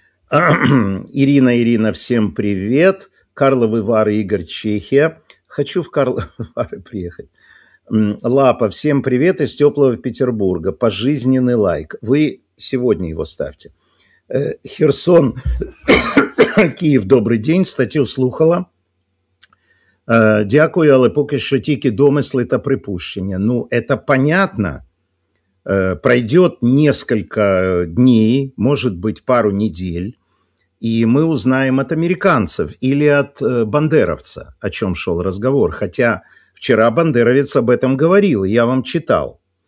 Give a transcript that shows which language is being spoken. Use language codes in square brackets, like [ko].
[ru] Ирина, Ирина, всем привет. Карловы Вары, Игорь, Чехия. Хочу в Карловы Вары приехать. Лапа, всем привет из теплого Петербурга. Пожизненный лайк. Вы сегодня его ставьте. Херсон, Киев, добрый день. [uk] Статью слухала. Дякую, але поки що тільки домисли та припущення. [ru] Ну, это понятно. Пройдет несколько дней, может быть, пару недель, и мы узнаем от американцев или от бандеровца, о чем шел разговор. Хотя вчера бандеровец об этом говорил, я вам читал.